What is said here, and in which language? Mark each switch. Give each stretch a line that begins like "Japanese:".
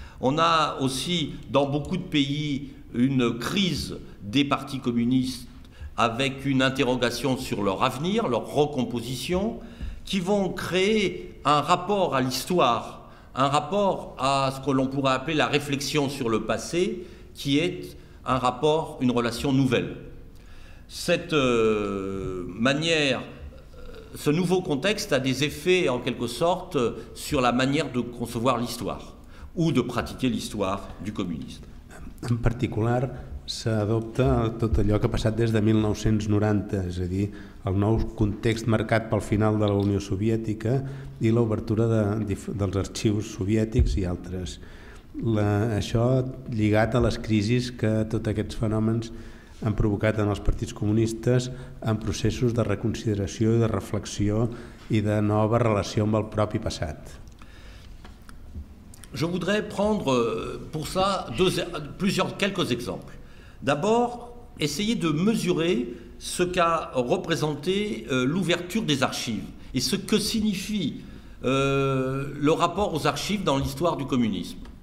French: On a aussi, dans beaucoup de pays, une crise des partis communistes avec une interrogation sur leur avenir, leur recomposition, qui vont créer un rapport à l'histoire, un rapport à ce que l'on pourrait appeler la réflexion sur le passé, qui est un rapport, une relation nouvelle. Cette manière, ce nouveau contexte a des effets en quelque sorte sur la manière de concevoir l'histoire ou de pratiquer l'histoire du communisme.
Catalan: En particular, s'adopta tot allò que ha passat des de 1990, és a dir, el nou context marcat pel final de la Unió Soviètica i l'obertura dels arxius soviètics i altres. Això lligat a les crisis que tots aquests fenòmens han provocat en els partits comunistes en processos de reconsideració i de reflexió i de nova relació amb el propi passat.
French: Je voudrais prendre pour ça quelques exemples. D'abord, essayer de mesurer ce qu'a représenté l'ouverture des archives et ce que signifie le rapport aux archives dans l'histoire du communisme.